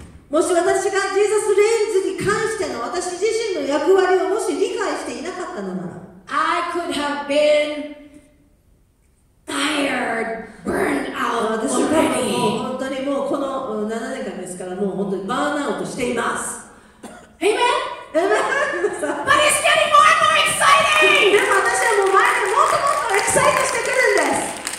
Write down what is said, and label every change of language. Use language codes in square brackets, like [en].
[ja] もし私がジーザスレインズに関しての私自身の役割をもし理解していなかったのなら [en] I could have been tired, burned out already. [ja] 私はもう本当にもうこの7年間ですからもう本当にバーンアウトしています [en] Amen? Amen? But it's getting more and more exciting! [ja] でも私はもう前にもっともっとエキサイトしてくるんです